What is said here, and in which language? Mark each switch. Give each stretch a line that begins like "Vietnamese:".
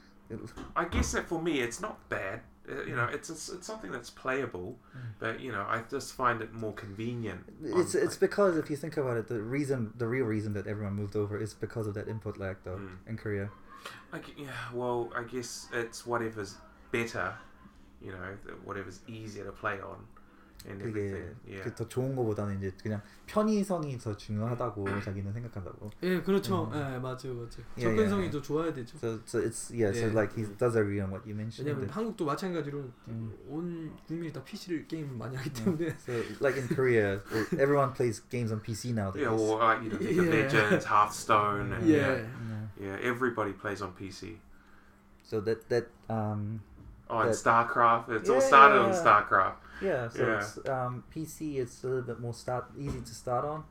English: Yeah. I guess that for me, it's not bad. You know, it's something that's playable, but you know, I just find it more convenient. It's because if you think about it, the real reason that everyone moved over is because of that input lag, though, in Korea. I guess it's whatever's better, you know, whatever's easier to play on, and everything. Yeah.
Korean: 더 좋은 거보다는 이제 그냥 편의성이 더 중요하다고 자기는 생각한다고. 예, 그렇죠. 예, 맞아요. 접근성이 더 좋아야 되죠.
English: So like he does agree on what you mentioned.
Korean: 왜냐면 한국도 마찬가지로 온 국민이 다 PC를 게임 많이 하기 때문에.
English: So like in Korea, everyone plays games on PC nowadays. Yeah, or you know, League of Legends, Hearthstone, and yeah, everybody plays on PC. So that On StarCraft. It all started on StarCraft. PC is a little bit more easy to start on.